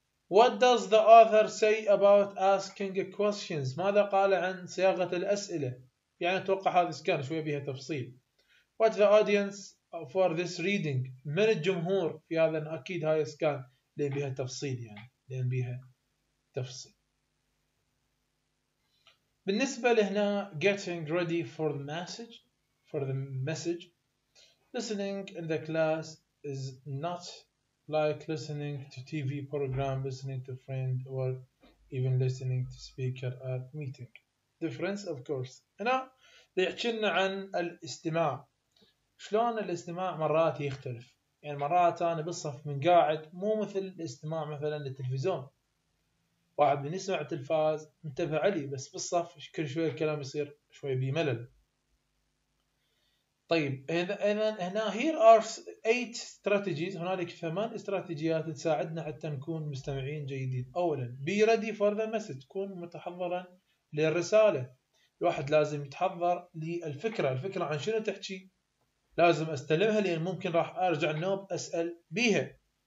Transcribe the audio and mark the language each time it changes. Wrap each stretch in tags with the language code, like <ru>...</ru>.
<en>What does the author say about asking questions؟</en> <ar>ماذا قال عن صياغة الأسئلة؟ يعني أتوقع هذا سكان شوية بها تفصيل.</ar> <en>What the audience for this reading؟</en> <ar>من الجمهور في هذا؟ أكيد هاي سكان لأن بها تفصيل، يعني لأن بها تفصيل. بالنسبة لهنا</ar> <en>getting ready for the message، for the message. Listening in the class is not like listening to TV program, listening to friend, or even listening to speaker at meeting. Difference, of course.</en> <ar>هنا بيحكينا عن الاستماع. شلون الاستماع مرات يختلف؟ يعني مرات أنا بالصف من قاعد مو مثل الاستماع مثلاً للتلفزيون. واحد بنسمع التلفاز انتبه علي، بس بالصف كل شوية الكلام يصير شوية بملل. طيب إذن هنا</ar> <en>here are 8 strategies،</en> <ar>هنالك 8 استراتيجيات تساعدنا حتى نكون مستمعين جيدين.</ar> <en>أولاً be ready for the message،</en> <ar>تكون متحضراً للرسالة. الواحد لازم يتحضر للفكرة، الفكرة عن شنو تحكي لازم أستلمها لأن ممكن راح أرجع النوب أسأل بيها.</ar>